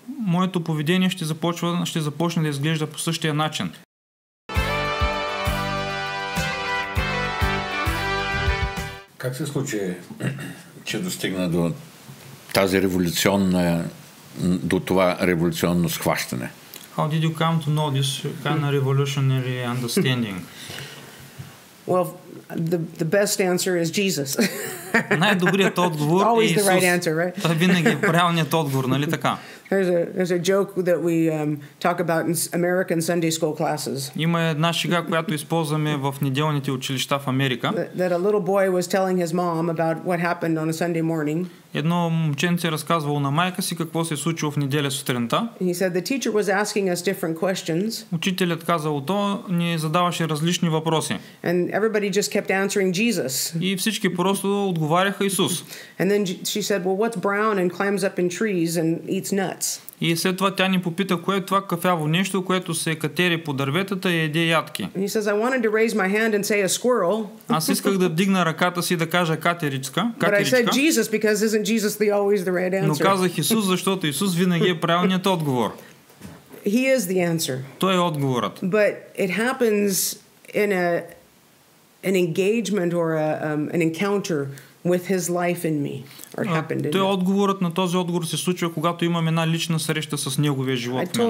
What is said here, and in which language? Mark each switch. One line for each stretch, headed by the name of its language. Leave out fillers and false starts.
Bulgarian: Моето поведение ще започне да изглежда по същия начин. Как се случи, че достигна до тази революционна, до това революционно схващане?
English: How did you come to know this kind of revolutionary understanding? Well, the best answer is Jesus.
Bulgarian: Най-добрият отговор е Исус.
English: Always the right answer, right?
Bulgarian: Това винаги е правилният отговор, нали така?
English: There's a joke that we talk about in American Sunday school classes.
Bulgarian: Има една шега, която използваме в неделните училища в Америка.
English: That a little boy was telling his mom about what happened on a Sunday morning.
Bulgarian: Едно момченце разказвало на майка си какво се е случило в неделя сутринта.
English: He said the teacher was asking us different questions.
Bulgarian: Учителят казал то, ни задаваше различни въпроси.
English: And everybody just kept answering Jesus.
Bulgarian: И всички просто отговаряха Исус.
English: And then she said, well, what's brown and climbs up in trees and eats nuts?
Bulgarian: И след това тя ни попита, кое е това кафяво нещо, което се катери по дърветата и еде ядки.
English: And he says, I wanted to raise my hand and say a squirrel.
Bulgarian: Аз исках да вдигна ръката си да кажа катеричка.
English: But I said Jesus because isn't Jesus the always the right answer?
Bulgarian: Но казах Исус, защото Исус винаги е правилният отговор.
English: He is the answer.
Bulgarian: Той е отговорът.
English: But it happens in an engagement or an encounter with his life in me.
Bulgarian: Той отговорът на този отговор се случва, когато имаме една лична среща с неговия живот.